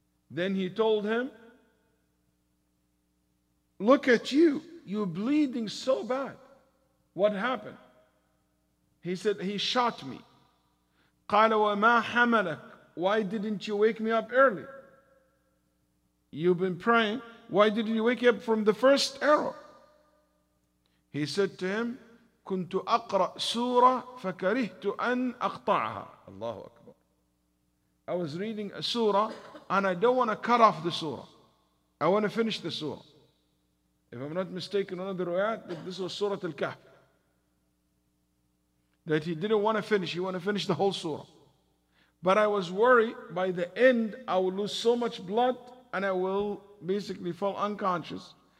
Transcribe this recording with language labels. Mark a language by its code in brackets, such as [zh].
[en] Then he told him, look at you, you're bleeding so bad. What happened? He said, he shot me. [ar] قَالَ وَمَا حَمَلَكَ. [en] Why didn't you wake me up early? You've been praying. Why didn't you wake up from the first arrow? He said to him, [ar] كُنْتُ أَقْرَأْ سُورَةً فَكَرِهْتُ أَنْ أَقْطَعَهَا. Allahu Akbar. [en] I was reading a surah and I don't want to cut off the surah. I want to finish the surah. If I'm not mistaken, one of the ruayat, this was Surah Al-Kahf. That he didn't want to finish. He wanted to finish the whole surah. But I was worried by the end, I will lose so much blood and I will basically fall unconscious.